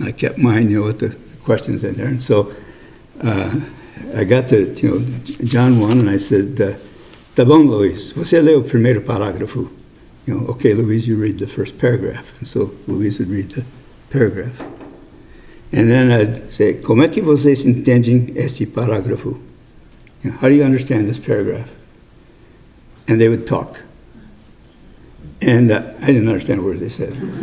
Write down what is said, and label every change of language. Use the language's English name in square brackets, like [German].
[English] I kept mine, with the questions in there. And so I got to, John 1, and I said, [Portuguese] Tá bom, Luiz, você leu o primeiro parágrafo. [English] Okay, Luiz, you read the first paragraph. And so Luiz would read the paragraph. And then I'd say, [Portuguese] como é que vocês entendem este parágrafo? [English] How do you understand this paragraph? And they would talk. And I didn't understand a word they said.